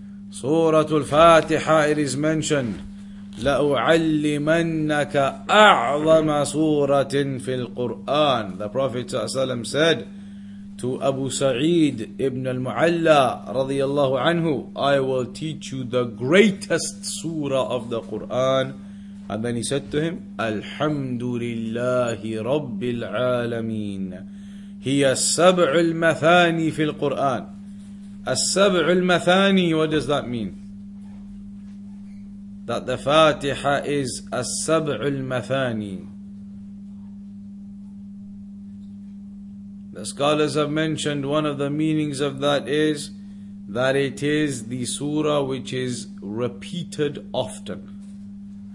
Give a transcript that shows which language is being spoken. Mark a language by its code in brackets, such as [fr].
[en] Suratul Fatiha, it is mentioned, [ar] لَأُعَلِّمَنَّكَ أَعْظَمَ سُورَةٍ فِي الْقُرْآنِ. [en] The Prophet ﷺ said to Abu Sa'id ibn al-Mu'alla radiyallahu anhu, I will teach you the greatest surah of the Qur'an. And then he said to him, [ar] أَلْحَمْدُ لِلَّهِ رَبِّ الْعَالَمِينَ هِيَ السَّبْعُ الْمَثَانِي فِي الْقُرْآنِ. [en] As-sab'u al-mathani, what does that mean? That the Fatiha is as-sab'u al-mathani. The scholars have mentioned one of the meanings of that is that it is the surah which is repeated often.